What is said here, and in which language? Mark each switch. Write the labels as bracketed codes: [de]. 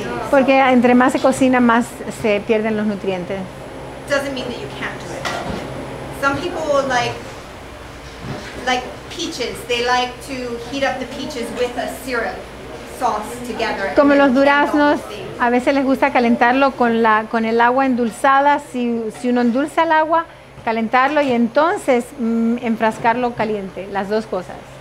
[es] Porque entre más se cocina, más se pierden los nutrientes. [en] Doesn't mean that you can't do it. Some people like peaches, they like to heat up the peaches with a syrup sauce together. [es] Como los duraznos, a veces les gusta calentarlo con el agua endulzada, si uno endulza el agua, calentarlo y entonces enfrascarlo caliente, las dos cosas.